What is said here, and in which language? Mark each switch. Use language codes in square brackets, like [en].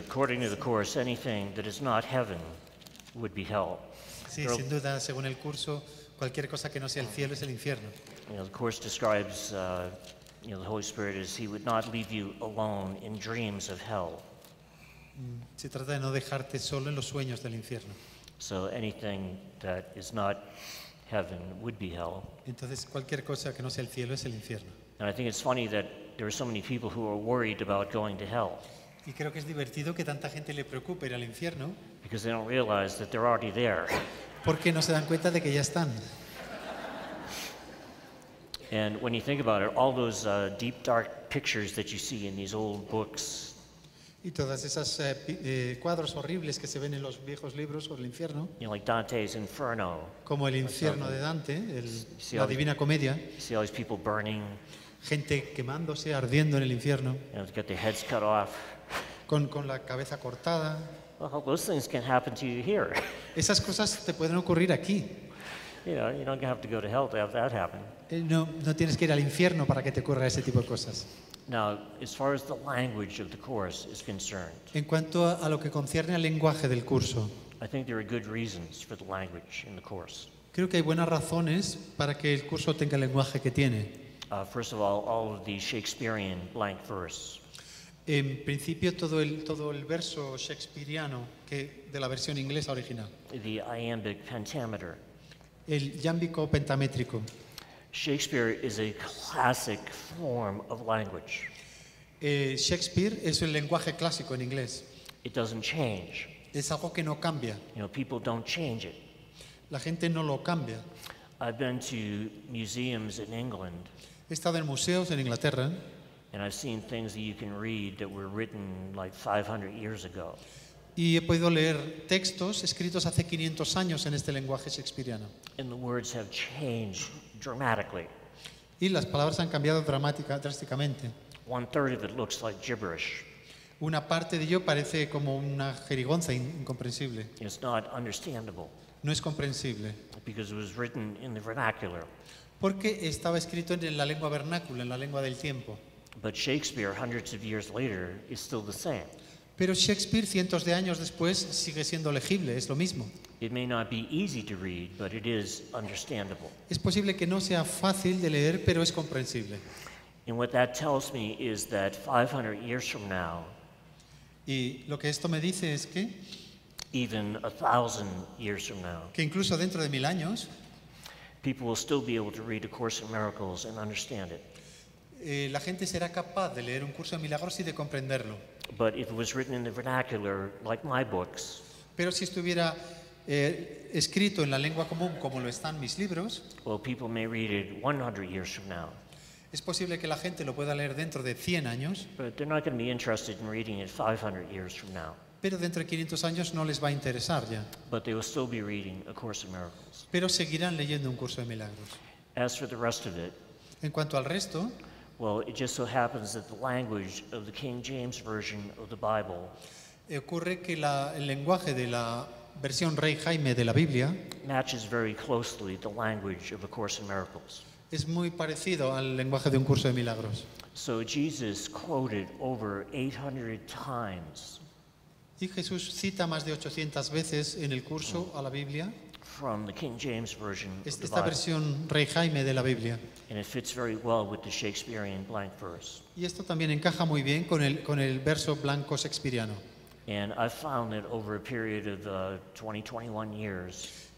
[en] According to the course, anything that is not heaven would be hell. [es] Sí, sin duda, según el curso, cualquier cosa que no sea el cielo es el infierno. [en] You know, the course describes the Holy Spirit as he would not leave you alone in dreams of hell. [es] Se trata de no dejarte solo en los sueños del infierno. [en] So anything that is not heaven would be hell. [es] Entonces cualquier cosa que no sea el cielo es el infierno. [en] And I think it's funny that there are so many people who are worried about going to hell. [es] Y creo que es divertido que tanta gente le preocupe ir al infierno. [en] Because they don't realize that they're already there. [es] Porque no se dan cuenta de que ya están. [en] And when you think about it, all those deep dark pictures that you see in these old books. [es] Y todas esas cuadros horribles que se ven en los viejos libros sobre el infierno. [en] You know, like Dante's Inferno. [es] Como el infierno de Dante, la Divina Comedia. [en] You see all these people burning. [es] Gente quemándose, ardiendo en el infierno. [en] You know, get their heads cut off. [es] Con la cabeza cortada. [en] Well, those things can happen to you here. [es] Esas cosas te pueden ocurrir aquí. [en] You don't have to go to hell to have that happen. [es] No tienes que ir al infierno para que te ocurra ese tipo de cosas. [en] Now, as far as the language of the course is concerned. [es] En cuanto a lo que concierne al lenguaje del curso. [en] I think there are good reasons for the language in the course. [es] Creo que hay buenas razones para que el curso tenga el lenguaje que tiene. [en] First of all of the Shakespearean blank verse. [es] En principio todo el verso shakespeariano que de la versión inglesa original. [en] The iambic pentameter. [es] El iámbico pentamétrico. [en] Shakespeare is a classic form of language. [es] Shakespeare es el lenguaje clásico en inglés. [en] It doesn't change. [es] Es algo que no cambia. [en] You know, people don't change it. [es] La gente no lo cambia. [en] I've been to museums in England. [es] He estado en museos en Inglaterra. [en] And I've seen things that you can read that were written like 500 years ago. [es] Y he podido leer textos escritos hace 500 años en este lenguaje shakespeariano. [en] And the words have changed dramatically. [es] Y las palabras han cambiado drásticamente. [en] One third of it looks like gibberish. [es] Una parte de ello parece como una jerigonza incomprensible. [en] It's not understandable. [es] No es comprensible. [en] Because it was written in the vernacular. [es] Porque estaba escrito en la lengua vernácula, en la lengua del tiempo. [en] But Shakespeare, hundreds of years later, is still the same. [es] Pero Shakespeare, cientos de años después, sigue siendo legible, es lo mismo. [en] It may not be easy to read, but it is understandable. [es] Es posible que no sea fácil de leer, pero es comprensible. [en] And what that tells me is that 500 years from now, [es] y lo que esto me dice es que, [en] even 1,000 years from now, [es] que incluso dentro de 1,000 años, [en] people will still be able to read A Course in Miracles and understand it. [es] La gente será capaz de leer un curso de milagros y de comprenderlo. [en] But if it was written in the vernacular, like my books, [es] pero si estuviera escrito en la lengua común, como lo están mis libros, [en] well, people may read it 100 years from now. [es] Es posible que la gente lo pueda leer dentro de 100 años. [en] But they're not going to be interested in reading it 500 years from now. [es] Pero dentro de 500 años no les va a interesar ya. [en] But they will still be reading A Course in Miracles. [es] Pero seguirán leyendo un curso de milagros. [en] As for the rest of it, [es] En cuanto al resto, [en] well, it just so happens that the language of the King James version of the Bible, [es] ocurre que el lenguaje de la versión Rey Jaime de la Biblia, [en] matches very closely the language of A Course in Miracles. [es] Es muy parecido al lenguaje de Un Curso de Milagros. [en] So Jesus quoted over 800 times. [es] Y Jesús cita más de 800 veces en el curso a la Biblia. [en] From the King James version. [es] Esta versión Rey Jaime de la Biblia. [en] And it fits very well with the Shakespearean blank verse. [es] Y esto también encaja muy bien con el verso blanco shakespeariano. [en] And I found that over a period of 20-21 years.